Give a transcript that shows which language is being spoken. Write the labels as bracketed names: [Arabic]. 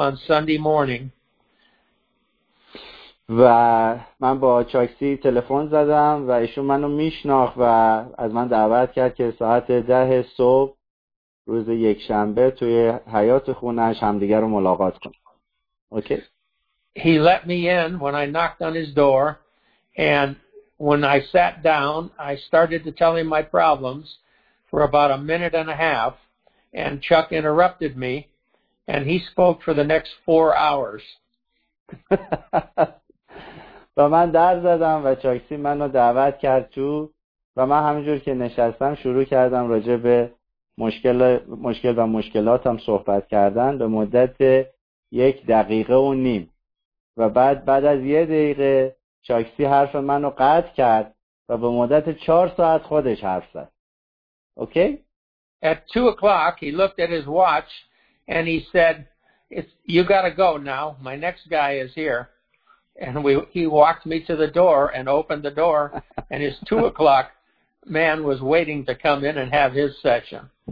[English] on Sunday morning. [Persian] و من با چاکسی تلفن زدم و ایشون منو میشناخت و از من دعوت کرد که ساعت 10 صبح روز یکشنبه توی حیات خونش همدیگر رو ملاقات کنیم. [English] Okay? He let me in when I knocked on his door, and when I sat down, I started to tell him my problems for about a minute and a half, and Chuck interrupted me. And he spoke for the next 4 hours. [Persian] و من در زدم و چاکسی منو دعوت کرد تو و من همینجور که نشستم شروع کردم راجع به مشکل و مشکلاتم صحبت کردن به مدت 1.5 دقیقه و بعد از 1 دقیقه شاکسی حرف منو قطع کرد و به مدت 4 ساعت خودش حرف زد. [English] Okay? At 2 o'clock, he looked at his watch and he said, "You got to go now. My next guy is here." And he walked me to the door and opened the door, and his 2 o'clock man was waiting to come in and have his session.